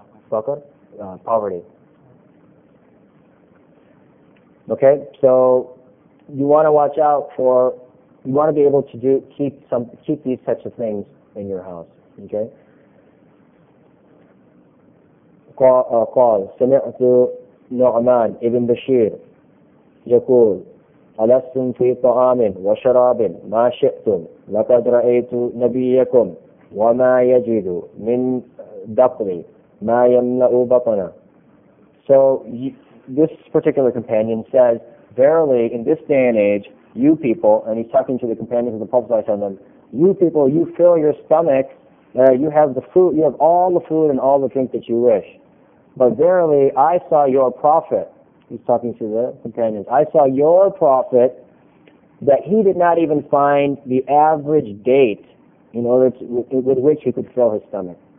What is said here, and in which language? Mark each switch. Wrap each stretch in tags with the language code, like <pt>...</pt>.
<en>Fakir? Poverty. Okay, so you want to watch out for, you want to be able to do keep these types of things in your house. Okay.</en> <ar>قال سمعت نعمان ابن بشير يقول ألستم في طعام وشراب ما شئتم لقد رأيت نبيكم وما يجد من دقلي ما يملأ بطنه.</ar> <en>So this particular companion says, verily in this day and age, you people, and he's talking to the companions of the Prophet, you people, you fill your stomach. You have the food, you have all the food and all the drink that you wish. But verily, I saw your prophet, he's talking to the companions, I saw your prophet that he did not even find the average date in order to, with which he could fill his stomach.</en>